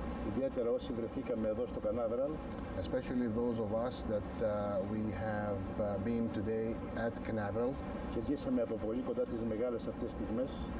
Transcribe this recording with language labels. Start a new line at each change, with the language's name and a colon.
Greek: Ιδιαίτερα όσοι βρεθήκαμε εδώ στο Canaveral,
English: especially those of us that we have been today at Canaveral,
Greek: και ζήσαμε από πολύ κοντά τις μεγάλες αυτές στιγμές,